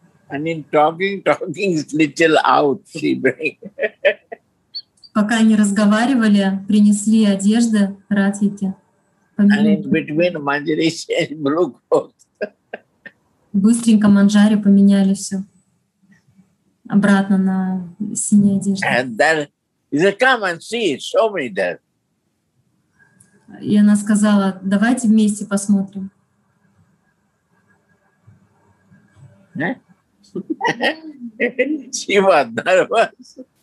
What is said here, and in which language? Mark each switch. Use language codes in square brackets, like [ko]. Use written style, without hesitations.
[en] And in talking, little out, she bring. [ru] Пока они разговаривали, принесли одежды Радхике. [en] And in between, Manjari changed blue coat. [ru] Быстренько Манджари поменяли все обратно на синие одежды. [en] And then he said, come and see, show me that. [ru] И она сказала, давайте вместе посмотрим. [en] She was nervous.